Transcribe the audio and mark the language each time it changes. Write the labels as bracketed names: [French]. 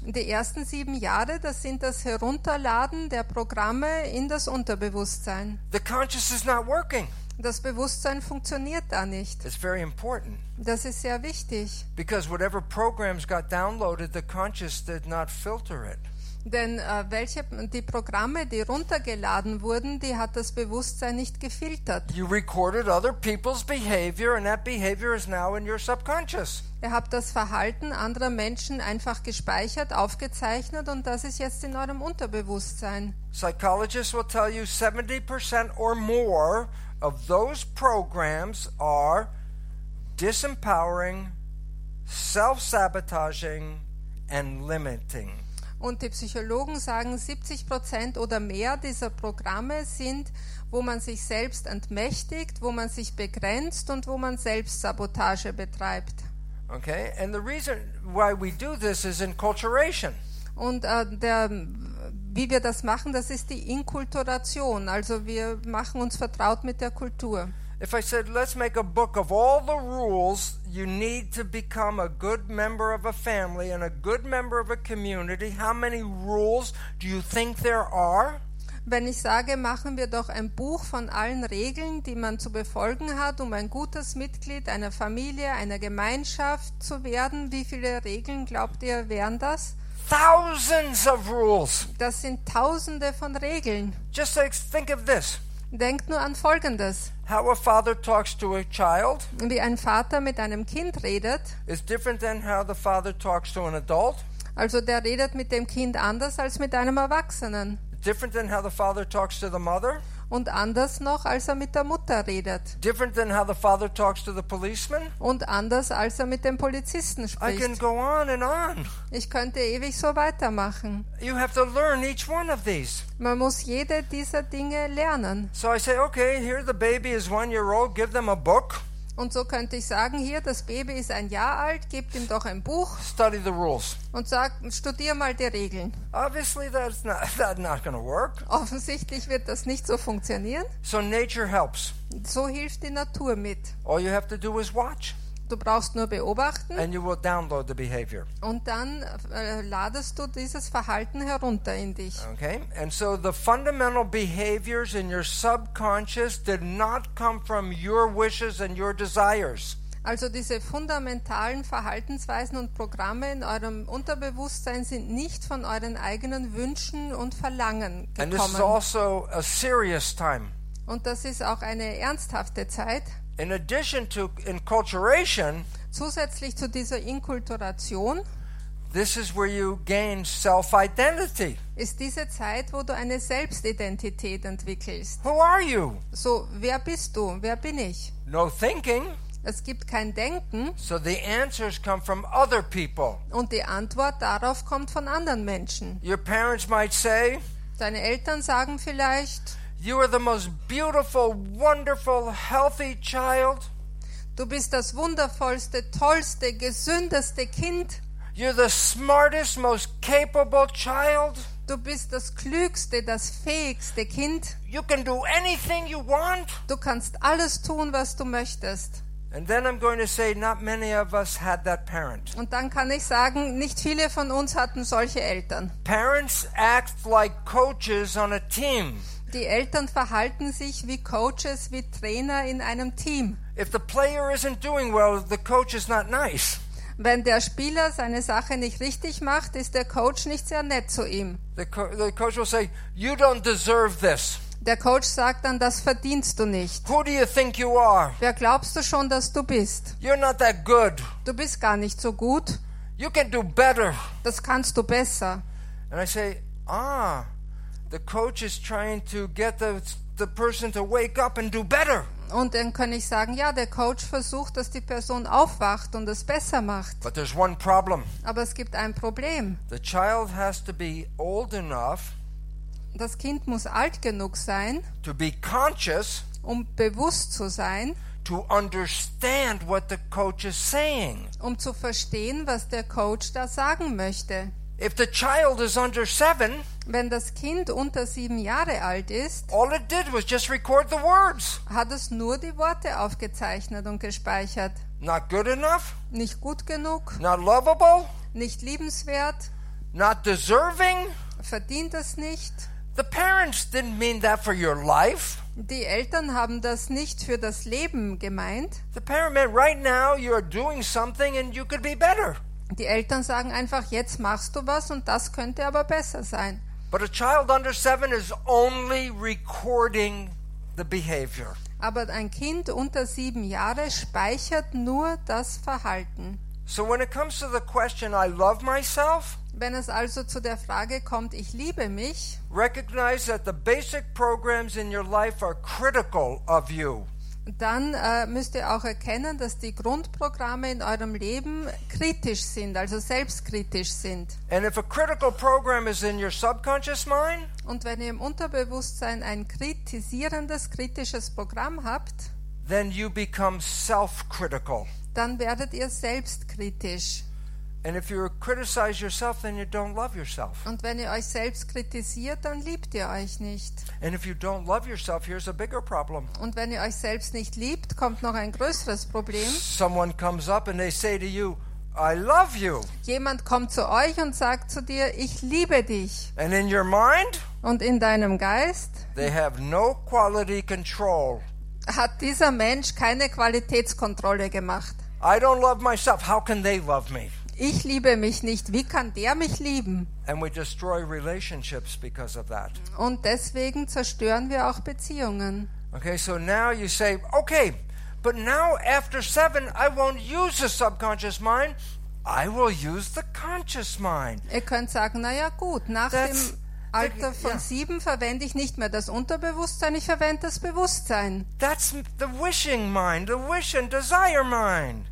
[German] Die ersten 7 Jahre, das sind das Herunterladen der Programme in das Unterbewusstsein. [English] The conscious is not working. [German] Das Bewusstsein funktioniert da nicht. [English] It's very important. [German] Das ist sehr wichtig. [English] Because whatever programs got downloaded, the conscious did not filter it. [German] Denn welche die Programme, die runtergeladen wurden, die hat das Bewusstsein nicht gefiltert. [English] You recorded other people's behavior, and that behavior is now in your subconscious. [German] Ihr habt das Verhalten anderer Menschen einfach gespeichert, aufgezeichnet, und das ist jetzt in eurem Unterbewusstsein. [English] Psychologists will tell you 70% or more of those programs are disempowering, self-sabotaging and limiting. [German] Und die Psychologen sagen, 70% oder mehr dieser Programme sind, wo man sich selbst entmächtigt, wo man sich begrenzt und wo man Selbstsabotage betreibt. [English] Okay, and the reason why we do this is enculturation. [German] Und wie wir das machen, das ist die Inkulturation. Also wir machen uns vertraut mit der Kultur. [English] If I said, let's make a book of all the rules you need to become a good member of a family and a good member of a community, how many rules do you think there are? [German] Wenn ich sage, machen wir doch ein Buch von allen Regeln, die man zu befolgen hat, um ein gutes Mitglied einer Familie, einer Gemeinschaft zu werden, wie viele Regeln, glaubt ihr, wären das? [English] Thousands of rules. [German] Das sind Tausende von Regeln. [English] Just think of this. [German] Denkt nur an Folgendes. [English] How a father talks to a child, [German] wie ein Vater mit einem Kind redet, [English] is different than how the father talks to an adult. [German] Also der redet mit dem Kind anders als mit einem Erwachsenen. [English] Different than how the father talks to the mother. [German] Und anders noch, als er mit der Mutter redet. [English] Different than how the father talks to the policeman. [German] Und anders, als er mit dem Polizisten spricht. [English] I can go on and on. [German] Ich könnte ewig so weitermachen. [English] You have to learn each one of these. [German] Man muss jede dieser Dinge lernen. [English] So I say, okay, here the baby is 1 year old, give them a book. [German] Und so könnte ich sagen, hier, das Baby ist 1 Jahr alt, gebt ihm doch ein Buch. [English] Study the rules. [German] Und sag, studier mal die Regeln. [English] Obviously that's not gonna work. [German] Offensichtlich wird das nicht so funktionieren. [English] So nature helps. [German] So hilft die Natur mit. [English] All you have to do is watch. [German] Du brauchst nur beobachten. [English] And you will download the behavior. [German] Und dann ladest du dieses Verhalten herunter in dich. [English] Okay. And so the fundamental behaviors in your subconscious did not come from your wishes and your desires. [German] Also diese fundamentalen Verhaltensweisen und Programme in eurem Unterbewusstsein sind nicht von euren eigenen Wünschen und Verlangen gekommen. [English] And this is also a serious time. [German] Und das ist auch eine ernsthafte Zeit. [English] In addition to enculturation, [German] zusätzlich zu dieser Inkulturation, [English] this is where you gain self-identity. [German] Ist diese Zeit, wo du eine Selbstidentität entwickelst. [English] Who are you? [German] So, wer bist du? Wer bin ich? [English] No thinking. [German] Es gibt kein Denken. [English] So the answers come from other people. [German] Und die Antwort darauf kommt von anderen Menschen. [English] Your parents might say, [German] deine Eltern sagen vielleicht, [English] you are the most beautiful, wonderful, healthy child. [German] Du bist das wundervollste, tollste, gesündeste Kind. [English] You're the smartest, most capable child. [German] Du bist das klügste, das fähigste Kind. [English] You can do anything you want. [German] Du kannst alles tun, was du möchtest. [English] And then I'm going to say, not many of us had that parent. [German] Und dann kann ich sagen, nicht viele von uns hatten solche Eltern. [English] Parents act like coaches on a team. [German] Die Eltern verhalten sich wie Coaches, wie Trainer in einem Team. [English] If the player isn't doing well, the coach is not nice. [German] Wenn der Spieler seine Sache nicht richtig macht, ist der Coach nicht sehr nett zu ihm. [English] The coach will say, you don't deserve this. [German] Der Coach sagt dann, das verdienst du nicht. [English] Who do you think you are? [German] Wer glaubst du schon, dass du bist? [English] You're not that good. [German] Du bist gar nicht so gut. [English] You can do better. [German] Das kannst du besser. [English] And I say, ah, the coach is trying to get the person to wake up and do better. [German] Und dann kann ich sagen, ja, der Coach versucht, dass die Person aufwacht und es besser macht. [English] But there's one problem. [German] Aber es gibt ein Problem. [English] The child has to be old enough. [German] Das Kind muss alt genug sein. [English] To be conscious. [German] Um bewusst zu sein. [English] To understand what the coach is saying. [German] Um zu verstehen, was der Coach da sagen möchte. [English] If the child is under 7, [German] wenn das Kind unter 7 Jahre alt ist, [English] all it did was just record the words. [German] Hat es nur die Worte aufgezeichnet und gespeichert. [English] Not good enough. [German] Nicht gut genug. [English] Not lovable. [German] Nicht liebenswert. [English] Not deserving. [German] Verdient es nicht. [English] The parents didn't mean that for your life. [German] Die Eltern haben das nicht für das Leben gemeint. [English] The parent meant right now you're doing something and you could be better. [German] Die Eltern sagen einfach, jetzt machst du was und das könnte aber besser sein. [English] But a child under 7 is only recording the behavior. [German] Aber ein Kind unter 7 Jahre speichert nur das Verhalten. [English] So when it comes to the question, I love myself, [German] wenn es also zu der Frage kommt, ich liebe mich, [English] recognize that the basic programs in your life are critical of you. [German] Dann müsst ihr auch erkennen, dass die Grundprogramme in eurem Leben kritisch sind, also selbstkritisch sind. [English] And if a critical program is in your subconscious mind, [German] und wenn ihr im Unterbewusstsein ein kritisierendes, kritisches Programm habt, [English] then you become self-critical. [German] Dann werdet ihr selbstkritisch. [English] And if you criticize yourself, then you don't love yourself. [German] Und wenn ihr euch selbst kritisiert, dann liebt ihr euch nicht. [English] And if you don't love yourself, here's a bigger problem. [German] Und wenn ihr euch selbst nicht liebt, kommt noch ein größeres Problem. [English] Someone comes up and they say to you, I love you. [German] Jemand kommt zu euch und sagt zu dir, ich liebe dich. [English] And in your mind, [German] und in deinem Geist, [English] they have no quality control. [German] Hat dieser Mensch keine Qualitätskontrolle gemacht. [English] I don't love myself. How can they love me? [German] Ich liebe mich nicht. Wie kann der mich lieben? [English] And we destroy relationships because of that. [German] Und deswegen zerstören wir auch Beziehungen. [English] Okay, so now you say, okay, but now after 7, I won't use the subconscious mind. I will use the conscious mind. [German] Ihr könnt sagen, na ja, gut, nach dem Alter von 7 verwende ich nicht mehr das Unterbewusstsein, ich verwende das Bewusstsein. [English] That's the wishing mind, the wish and desire mind.